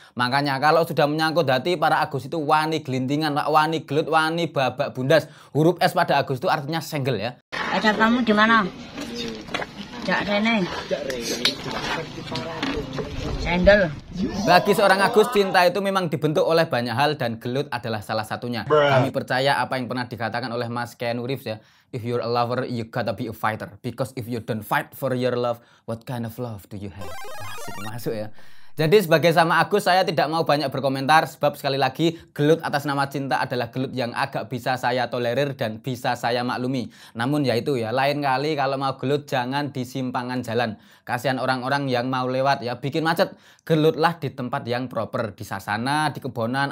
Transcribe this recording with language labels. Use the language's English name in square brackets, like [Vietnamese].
[Indonesian] Makanya kalau sudah menyangkut hati, para Agus itu [Javanese] wani gelintingan, wani gelut, wani babak bundas. [Indonesian] Huruf S pada Agus itu artinya senggel ya. Ada kamu di mana? Sendal. Bagi seorang Agus, cinta itu memang dibentuk oleh banyak hal dan gelut adalah salah satunya. Kami percaya apa yang pernah dikatakan oleh Mas Keanu Reeves ya. [English] If you're a lover, you gotta be a fighter. Because if you don't fight for your love, what kind of love do you have? [Indonesian] Masuk, masuk ya. Jadi sebagai sama Agus, saya tidak mau banyak berkomentar. Sebab sekali lagi, gelut atas nama cinta adalah gelut yang agak bisa saya tolerir dan bisa saya maklumi. Namun ya itu ya, lain kali kalau mau gelut jangan di simpangan jalan. Kasihan orang-orang yang mau lewat ya, bikin macet. Gelutlah di tempat yang proper, di sasana, di kebonan.